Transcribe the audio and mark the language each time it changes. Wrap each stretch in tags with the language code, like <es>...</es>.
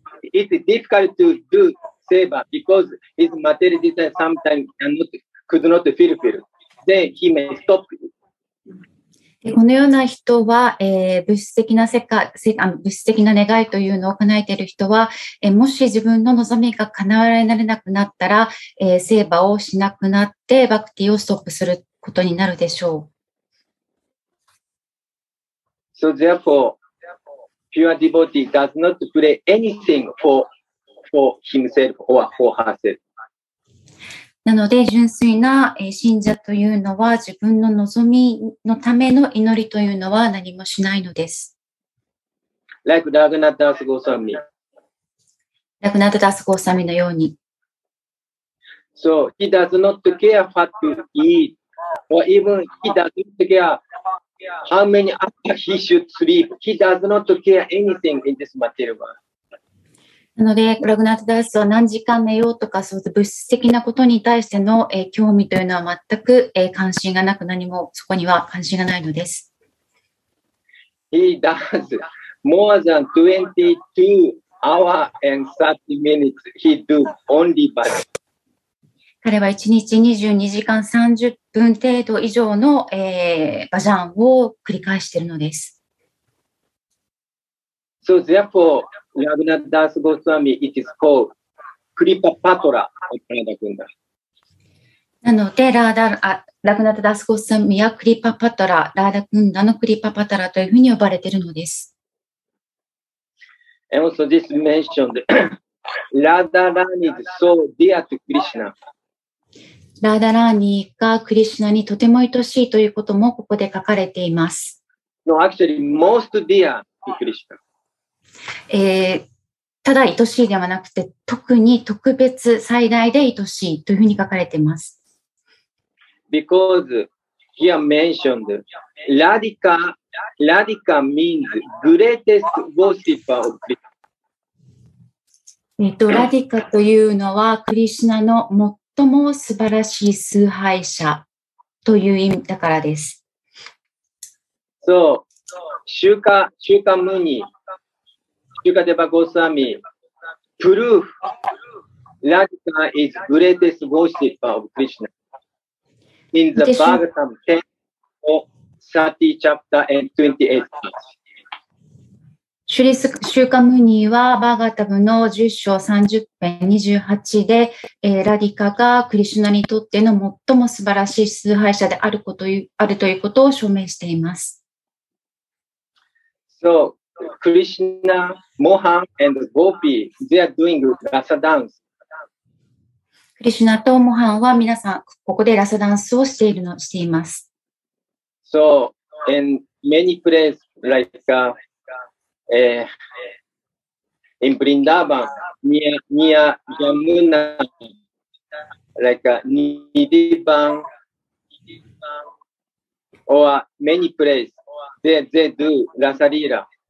<en>It's difficult to do seva because his material desire sometimes could not fulfill. Then he may stop.</en> <ja>このような人は、物質的な世界、物質的な願いというのを叶えている人は、もし自分の望みが叶えられなくなったら、セーバーをしなくなって、バクティをストップすることになるでしょう。</ja> <en>So therefore, pure devotee does not pray anything for himself or for herself.</en> <ja>なので純粋な信者というのは自分の望みのための祈りというのは何もしないのです。</ja> <en>Like Raghunatha Das Goswami.</en> <ja>Raghunatha Das Goswami のように。</ja> <en>So he does not care what to eat, or even he does not care how many hours he should sleep. He does not care anything in this material world.</en> <ja>なので、ラグナートダースは何時間寝ようとか、そういう物質的なことに対しての、興味というのは全く、関心がなく、何もそこには関心がないのです。</ja> <en>He does more than 22 hours and 30 minutes. He do only body.</en> <ja>彼は1日22時間30分程度以上の、バジャンを繰り返しているのです。</ja> <en>So therefore, Raghunath Das Goswami, it is called Kripa Patra, Prada Kunda.</en> <ja>なので、Raghunath Das Goswami は Kripa Patra, Prada Kunda の Kripa Patra というふうに呼ばれているのです。</ja> <en>And also this mentioned, Radharani is so dear to Krishna.</en> <ja>ラーダラーニーがクリシュナにとても愛しいということもここで書かれています。</ja> <en>No, actually, most dear to Krishna.</en> <ja>ただ愛しいではなくて、特に特別最大で愛しいというふうに書かれています。</ja> <en>Because here mentioned, Radhika, Radhika means greatest worshipper of Krishna.</en> <ja>Radhika というのはクリシュナの最も最も素晴らしい崇拝者という意味だからです。</ja> <en>So, Shuka Muni, Shuka Deva Goswami, proof Radhika is greatest worshipper of Krishna in the Bhagavatam 10:30 chapter and 28.</en> <ja>シュカムニーはバーガータブの10章30編28で、ラディカがクリシュナにとっての最も素晴らしい崇拝者であること、あるということを証明しています。</ja> <en>So, Krishna, Mohan and Gopi, they are doing Rasa dance.</en> <ja>クリシュナとモハンは皆さん、ここでラサダンスをしています。</ja> <en>So, in many places like,in Vrindavan, near Yamuna, like Nidiban, or many places, they do Rasalila.</en>